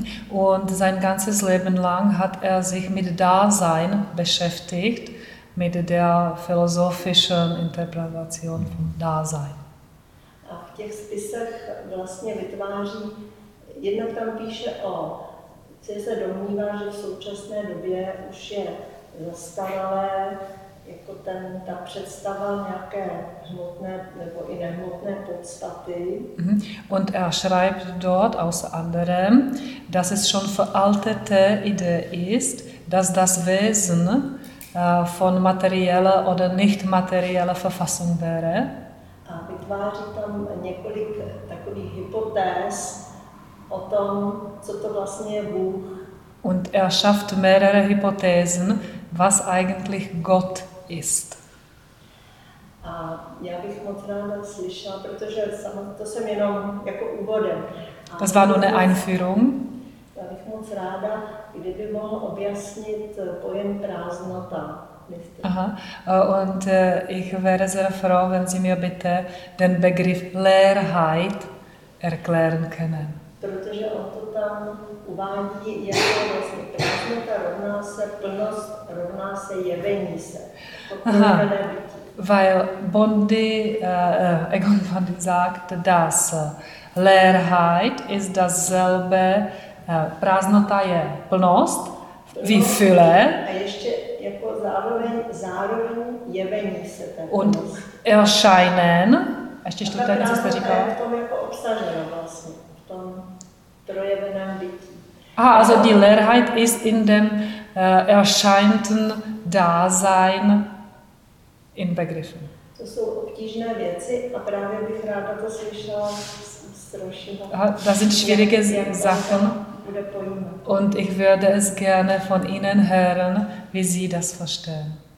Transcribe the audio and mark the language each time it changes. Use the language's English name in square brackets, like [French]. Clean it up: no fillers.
[German] Und sein ganzes Leben lang hat er sich mit Dasein beschäftigt, mit der philosophischen Interpretation von Dasein. [Czech] A v těch spisech vlastně vytváří, jednak tam píše o, co se domnívá, že v současné době už je zastaralé, jako ten, ta představa nějaké hmotné nebo i nehmotné podstaty. [German] Und er schreibt dort außer anderem, dass es schon veraltete Idee ist, dass das Wesen von materieller oder nicht materieller Verfassung wäre. [Czech] A vytváří tam několik takových hypotéz o tom, co to vlastně je Bůh. [German] Und er schafft mehrere Hypothesen, was eigentlich Gott ist. [Czech] A já bych moc ráda slyšela, protože sama, to jsem jenom jako úvodem. [German] Das war nur eine Einführung. [Czech] Já bych moc ráda, kdyby mohl objasnit pojem prázdnota. [German] Aha, und ich wäre sehr froh, wenn Sie mir bitte den Begriff Leerheit erklären können. [Czech] Protože on to tam uvádí, je to vlastně prázdnota rovná se, plnost rovná se, jevení se. [German] Aha, weil Bondi, Egon Bondi sagt, dass Leerheit ist dasselbe, [Czech] prázdnota je plnost, [German] wie Fülle. [Czech] A ještě jako zároveň jevení se. [German] Und erscheinen. [Czech] A ještě to tady, co jste říkal. Je v tom jako obsaženo vlastně, v tom projeveném bytí. [German] Aha, also die Leerheit ist in dem erscheinten Dasein in Begriffen. [Czech] To jsou obtížné věci a právě bych ráda to slyšela strošila. [German] Das sind schwierige Sachen. Und ich würde es gerne von Ihnen hören, wie Sie das verstehen.